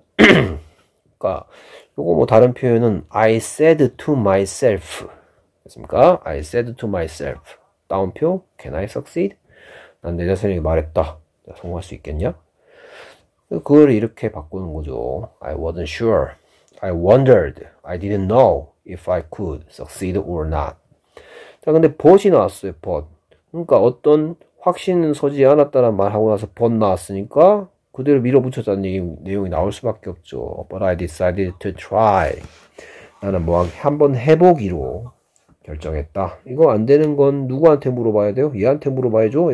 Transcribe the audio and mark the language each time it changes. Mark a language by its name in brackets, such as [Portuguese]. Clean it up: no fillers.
[Korean] 그러니까 요거 뭐 다른 표현은 [English] I said to myself. [Korean] 됐습니까? [English] I said to myself. [Korean] 따옴표 [English] can I succeed? [Korean] 난내 자신에게 말했다. 내가 성공할 수 있겠냐? 그걸 이렇게 바꾸는 거죠. [English] I wasn't sure. I wondered. I didn't know if I could succeed or not. [Korean] 자, 근데 but이 나왔어요. but. 그러니까 어떤 확신은 서지 않았다는 말하고 나서 but 나왔으니까 그대로 밀어붙였다는 내용이 나올 수밖에 없죠. [English] But I decided to try. [Korean] 나는 뭐 한번 해보기로 결정했다. 이거 안 되는 건 누구한테 물어봐야 돼요? 얘한테 물어봐야죠.